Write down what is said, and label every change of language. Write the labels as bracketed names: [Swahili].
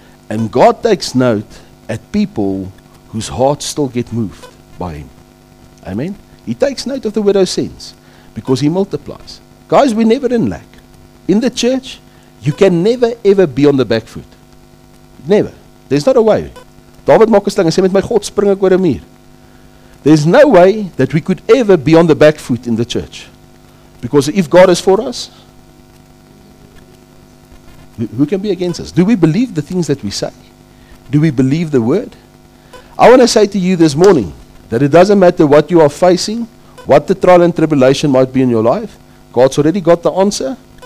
[English] And God takes note at people whose hearts still get moved by him. Amen? He takes note of the widow's sins. Because he multiplies. Guys, we're never in lack. In the church, you can never ever be on the back foot. Never. There's not a way. [Afrikaans] David maak 'n sling en sê met my God spring ek oor 'n muur. [English] There's no way that we could ever be on the back foot in the church. Because if God is for us, who can be against us? Do we believe the things that we say? Do we believe the word? I want to say to you this morning that it doesn't matter what you are facing, what the trial and tribulation might be in your life, God's already got the answer.